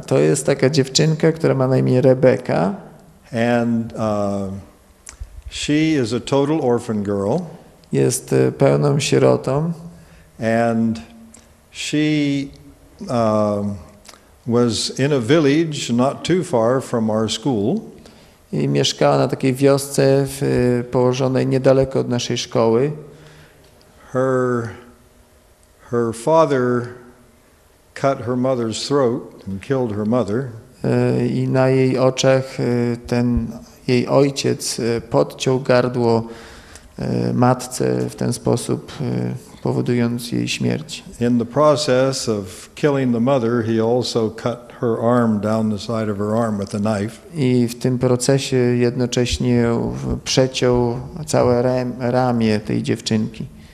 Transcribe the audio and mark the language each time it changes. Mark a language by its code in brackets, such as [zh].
[pl] to jest taka dziewczynka, która ma na imię Rebecca. [en] And she is a total orphan girl. [pl] Jest pełną sierotą. [en] And she was in a village not too far from our school. [pl] I mieszkała na takiej wiosce położonej niedaleko od naszej szkoły. [en] Her father cut her mother's throat and killed her mother. [pl] I na jej oczach ten jej ojciec podciął gardło matce w ten sposób, powodując jej śmierć. [en] In the process of killing the mother, he also cut her arm down the side of her arm with a knife. [pl] I w tym procesie jednocześnie przeciął całe ramię tej dziewczynki.